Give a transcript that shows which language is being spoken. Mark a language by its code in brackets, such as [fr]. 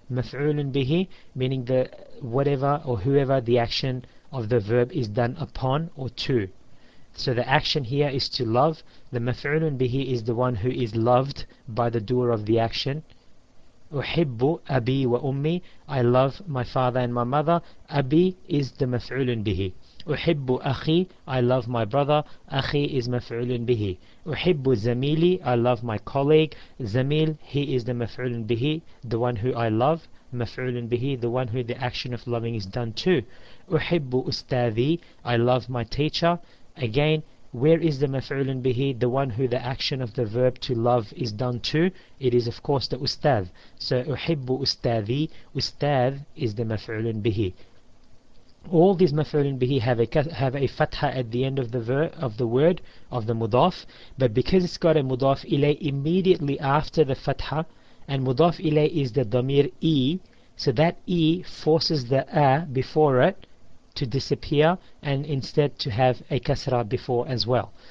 [en] مفعولٌ به meaning the whatever or whoever the action of the verb is done upon or to. So the action here is to love. The مفعولٌ به is the one who is loved by the doer of the action. [ar] أحب أبي وأمي. [en] I love my father and my mother. أبي is the مفعولٌ به. [ar] أحب أخي. [en] I love my brother. أخي is مفعول به. [ar] أحب زميلي. [en] I love my colleague. زميل, he is the مفعول به, the one who I love. مفعول به, the one who the action of loving is done to. [ar] أحب أستاذي. [en] I love my teacher. Again, where is the مفعول به, the one who the action of the verb to love is done to? It is of course the أستاذ. So [ar] أحب أستاذي. [en] أستاذ is the مفعول به. All these مفعولين به have a fatha at the end of the word of the مضاف, but because it's got a مضاف إلي immediately after the fatha, and مضاف إلي is the ضمير E, so that E forces the A before it to disappear and instead to have a كسرة before as well.